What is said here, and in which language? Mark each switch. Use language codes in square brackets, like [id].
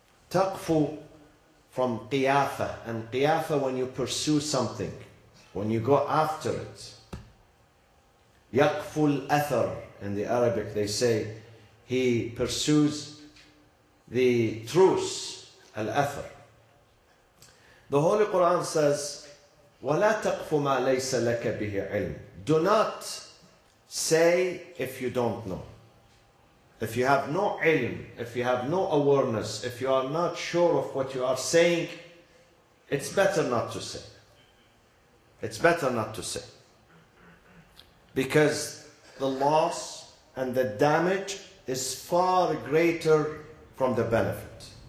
[en] تَقْفُ from قِيَافَة, and قِيَافَة when you pursue something, when you go after it. [ar] يَقْفُ الْأَثَر, [en] in the Arabic they say, he pursues the truth, al-athar. The Holy Quran says, [ar] وَلَا تَقْفُ مَا لَيْسَ لَكَ بِهِ عِلْمٍ. [en] Do not say if you don't know. If you have no ilm, if you have no awareness, if you are not sure of what you are saying, it's better not to say. It's better not to say. Because the loss and the damage is far greater from the benefit.